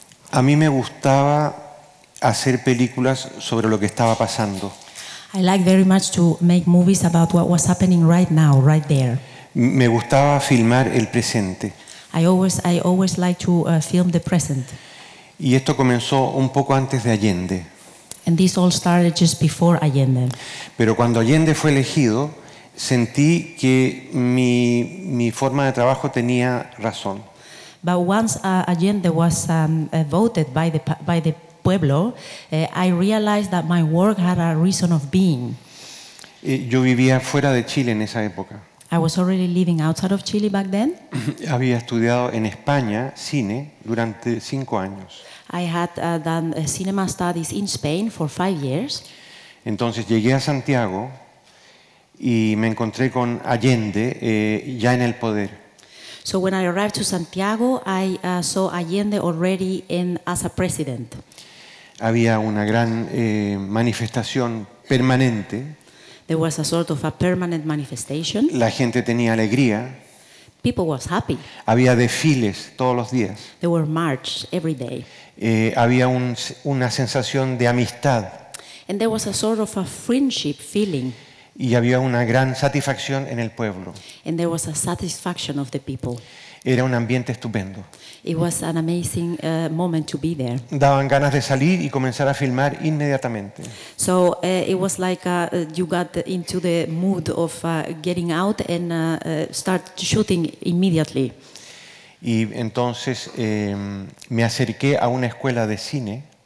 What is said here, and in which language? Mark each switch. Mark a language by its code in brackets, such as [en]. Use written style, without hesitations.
[es] A mí me gustaba hacer películas sobre lo que estaba pasando. [en] I like very much to make movies about what was happening right now, right there. [es] Me gustaba filmar el presente. [en] I always like to film the present. [es] Y esto comenzó un poco antes de Allende. [en] And this all started just before Allende. [es] Pero cuando Allende fue elegido, sentí que mi forma de trabajo tenía razón. [en] But once Allende was voted by the pueblo, I realized that my work had a reason of being. [es] Yo vivía fuera de Chile en esa época. [en] I was already living outside of Chile back then. [es] Había estudiado en España cine durante 5 años. [en] I had done cinema studies in Spain for 5 years. [es] Entonces llegué a Santiago y me encontré con Allende ya en el poder. [en] So when I arrived to Santiago, I saw Allende already as a president. [es] Había una gran manifestación permanente. [en] There was a sort of a permanent manifestation. [es] La gente tenía alegría. [en] People was happy. [es] Había desfiles todos los días. [en] There were march every day. [es] Había una sensación de amistad. [en] And there was a sort of a friendship feeling. [es] y había una gran satisfacción en el pueblo. [en] And there was a satisfaction of the people. [es] Era un ambiente estupendo. [en] It was an amazing moment to be there. [es] Daban ganas de salir y comenzar a filmar inmediatamente. [en] So it was like you got into the mood of getting out and start shooting immediately. [es] Y entonces me acerqué a una escuela de cine.